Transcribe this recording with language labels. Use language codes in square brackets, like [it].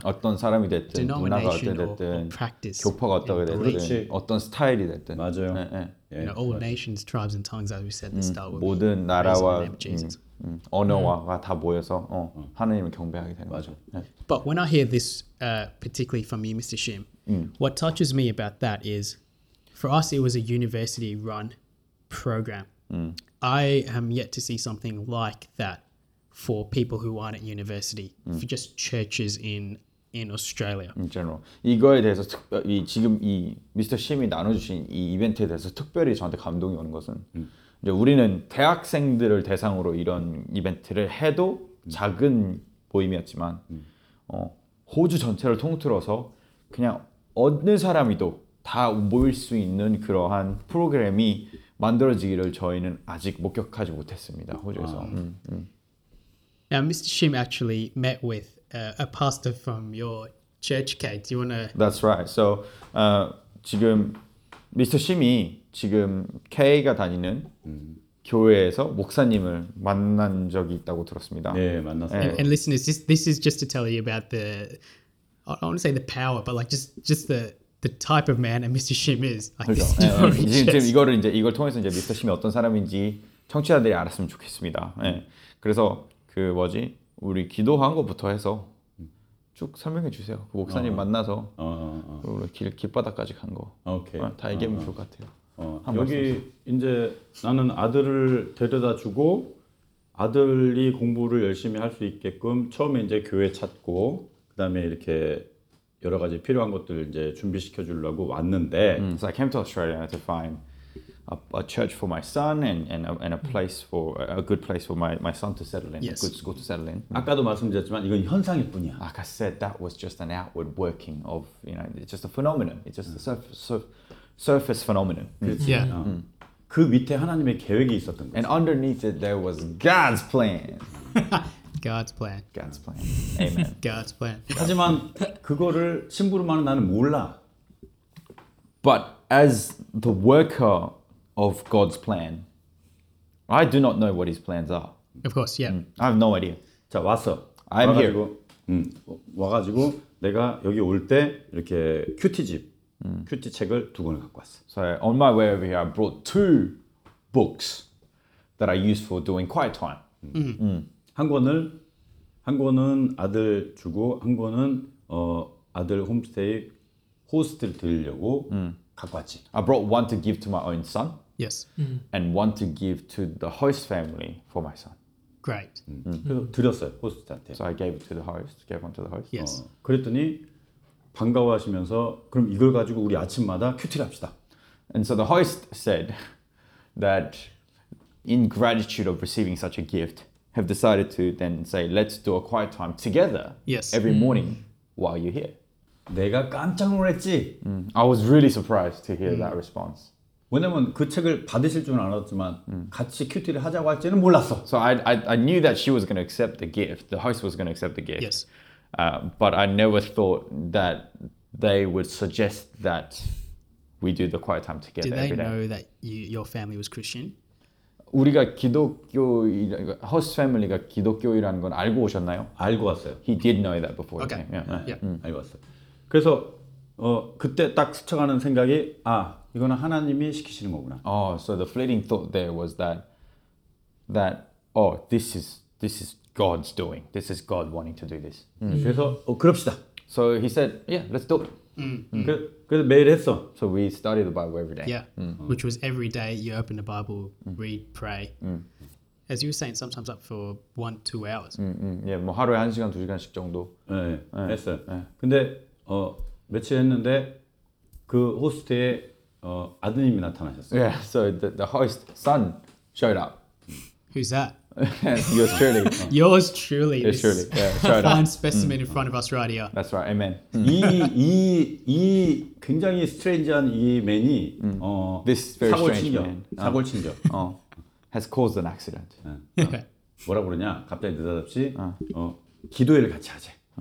[ko] 어떤 사람이 됐든, 문화가 어떻게 됐든, [en] or practice, [ko] 교파가 어떻게 됐든, 그렇지. 어떤 스타일이 됐든 맞아요. 네, 네. [en] You know, all nations, tribes and tongues, as we said, the start [ko] 모든 나라와 언어와 다 모여서 하나님을 경배하게 되는 맞아. 거죠. [en] 네. But when I hear this particularly from you, Mr. Shim, What touches me about that is, for us, it was a university-run program. Mm. I am yet to see something like that for people who aren't at university, for just churches in Australia. In general. [ko] 이거에 대해서 이 지금 이 미스터 심이 나눠주신 이 이벤트에 대해서 특별히 저한테 감동이 오는 것은 이제 우리는 대학생들을 대상으로 이런 이벤트를 해도 작은 모임이었지만 호주 전체를 통틀어서 그냥 어느 사람이도 다 모일 수 있는 그러한 프로그램이 만들어지기를 저희는 아직 목격하지 못했습니다. 호주에서. [en] Now, Mr. Shim actually met with a pastor from your church, Kate. Do you want to... That's right. So, 지금 Mr. [ko] Shim이 지금 K가 다니는 교회에서 목사님을 만난 적이 있다고 들었습니다. 네, 만났어요. [en] And listeners, this is just to tell you about the... I don't want to say the power, but like just the type of man that Mr. Shim is. Like [ko] 그렇죠. 네, 지금 이거를 이제 이걸 통해서 이제 Mr. Shim이 어떤 사람인지 청취자들이 알았으면 좋겠습니다. 네. 그래서 그 뭐지 우리 기도한 것부터 해서 쭉 설명해 주세요. 그 목사님 만나서 우리 길바닥까지 간 거 다 얘기하면 좋을 것 같아요. 여기 말씀하세요. 이제 나는 아들을 데려다 주고 아들이 공부를 열심히 할 수 있게끔 처음에 이제 교회 찾고 그 다음에 이렇게 여러 가지 필요한 것들 이제 준비시켜 주려고 왔는데 [en] So I came to Australia to find a church for my son and a place for a good place for my son to settle in, yes. a good school to settle in. [ko] 아까도 말씀드렸지만 이건 현상일 뿐이야. [en] Like I said, that was just an outward working of, you know, it's just a phenomenon. It's just a surface phenomenon. 그렇지. Yeah. [ko] 그 밑에 하나님의 계획이 있었던 거지. [en] And underneath it, there was God's plan. God's plan. God's plan. Amen. God's plan. [ko] 하지만 그거를 심부름하는 나는 몰라. [en] But as the worker of God's plan, I do not know what His plans are. Of course, yeah. I have no idea. [ko] 자 왔어. [en] I'm here. [ko] 와가지고 내가 여기 올 때 이렇게 큐티집, 큐티 책을 두 권을 갖고 왔어. [en] So on my way over here, I brought two books that I use for doing quiet time. [ko] 한 권은 아들 주고 한 권은 아들 홈스테이 호스트를 들으려고. [en] I brought one to give to my own son. Yes. And one to give to the host family for my son. Great. [ko] 드렸어요, 호스트한테. [en] So I gave it to the host. Gave one to the host. Yes. [ko] 그랬더니 반가워하시면서 그럼 이걸 가지고 우리 아침마다 큐티를 합시다. [en] And so the host said that in gratitude of receiving such a gift, have decided to then say, let's do a quiet time together yes. every morning while you're here. [ko] 내가 깜짝 놀랐지. [en] I was really surprised to hear that response. [ko] 왜냐면 그 책을 받으실 줄은 알았지만 같이 큐티를 하자고 할지는 몰랐어. [en] So I knew that she was going to accept the gift. The host was going to accept the gift. Yes. But I never thought that they would suggest that we do the quiet time together every day. Did they know that your family was Christian? [ko] 우리가 기독교 [en] host family [ko] 가 기독교이라는 건 알고 오셨나요? 알고 왔어요. [en] He did know that before. Okay. Yeah. [ko] 알고 왔어요. 그래서 그때 딱 스쳐가는 생각이 아 이거는 하나님이 시키시는 거구나. [en] Oh, so the fleeting thought there was that oh this is God's doing. This is God wanting to do this. [ko] 그래서 그럽시다. [en] So he said, yeah, let's do it. [ko] 그래서 매일 했어. [en] So we studied the Bible every day. Yeah, which was every day you open the Bible, read, pray. As you were saying, sometimes up for 1-2 hours. [ko] 예, 뭐 하루에 한 시간 두 시간씩 정도. 예, 했어요. 근데 며칠 했는데 그 호스트의 아드님이 나타나셨어요. [en] Yeah, so the host son showed up. Who's that? Yours truly. Yours truly. Yours truly. Yeah, fine specimen in front of us right here. That's right. Amen. [ko] 이 굉장히 스트레인지한 이 맨이 [en] this very strange man. [ko] 사고를 친 적. [en] Has caused an accident. [ko] 뭐라 그러냐? 갑자기 느닷없이 기도회를 같이 하자.